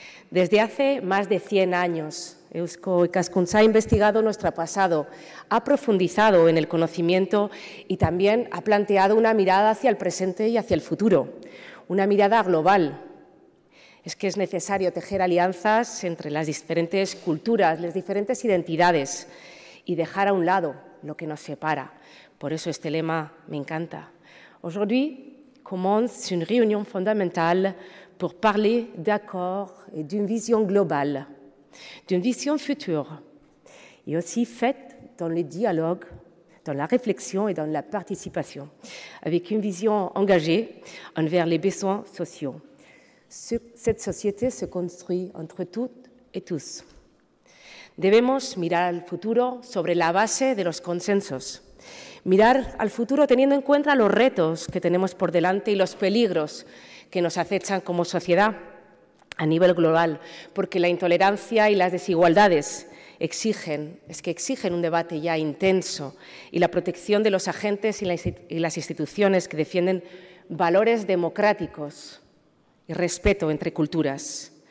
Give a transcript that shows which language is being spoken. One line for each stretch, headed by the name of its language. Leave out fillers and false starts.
Spanish: Desde hace más de 100 años, Eusko Ikaskuntza ha investigado nuestro pasado, ha profundizado en el conocimiento y también ha planteado una mirada hacia el presente y hacia el futuro, una mirada global. Es que es necesario tejer alianzas entre las diferentes culturas, las diferentes identidades y dejar a un lado lo que nos separa. Por eso este lema me encanta.
French: Aujourd'hui commence une réunion fondamentale pour parler d'accord et d'une vision globale, d'une vision future, et aussi faite dans le dialogue, dans la réflexion et dans la participation, avec une vision engagée envers les besoins sociaux. Cette société se construit entre toutes et tous.
Spanish: Debemos mirar al futuro sobre la base de los consensos. Mirar al futuro teniendo en cuenta los retos que tenemos por delante y los peligros que nos acechan como sociedad a nivel global, porque la intolerancia y las desigualdades exigen un debate ya intenso y la protección de los agentes y las instituciones que defienden valores democráticos y respeto entre culturas.